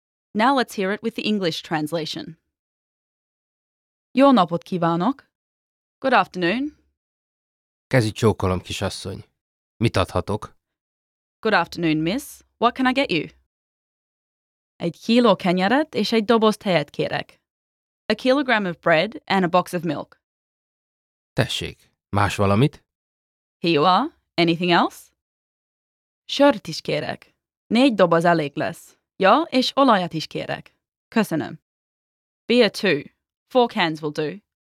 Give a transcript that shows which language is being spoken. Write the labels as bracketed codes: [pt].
[en] Now let's hear it with the English translation. [hu] Jó napot kívánok. [en] Good afternoon. [hu] Kezi csókolom, kisasszony. Mit adhatok? [en] Good afternoon, miss. What can I get you? [hu] Egy kiló kenyeret és egy doboz tejet kérek. [en] A kilogram of bread and a box of milk. [hu] Tessék, más valamit? [en] Here you are. Anything else? [hu] Sört is kérek. Négy doboz elég lesz. Ja, és olajat is kérek. Köszönöm. [en] Beer too. Four cans will do.